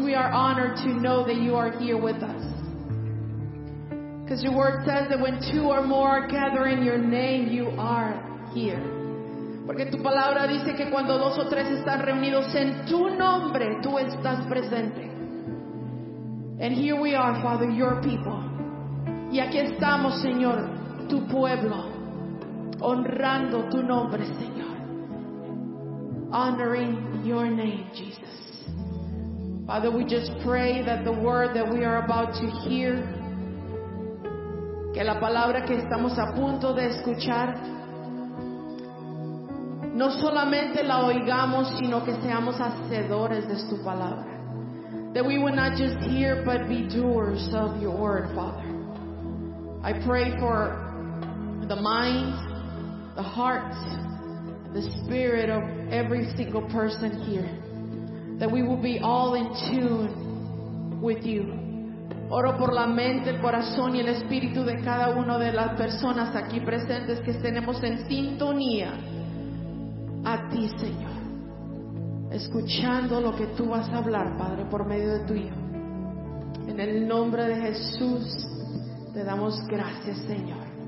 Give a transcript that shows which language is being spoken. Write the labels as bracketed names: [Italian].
[English] We are honored to know that you are here with us. Because your word says that when two or more are gathered in your name, you are here. [Spanish] Porque tu palabra dice que cuando dos o tres están reunidos en tu nombre, tú estás presente. [English] And here we are, Father, your people. [Spanish] Y aquí estamos, Señor, tu pueblo, honrando tu nombre, Señor. [English] Honoring your name, Jesus. Father, we just pray that the word that we are about to hear, [Spanish] que la palabra que estamos a punto de escuchar, no solamente la oigamos, sino que seamos hacedores de tu palabra. [English] That we would not just hear, but be doers of your word, Father. I pray for the mind, the heart, the spirit of every single person here, that we will be all in tune with you. [Spanish] Oro por la mente, el corazón y el espíritu de cada uno de las personas aquí presentes, que estemos en sintonía a ti, Señor, escuchando lo que tú vas a hablar, Padre, por medio de tu Hijo. En el nombre de Jesús te damos gracias, Señor.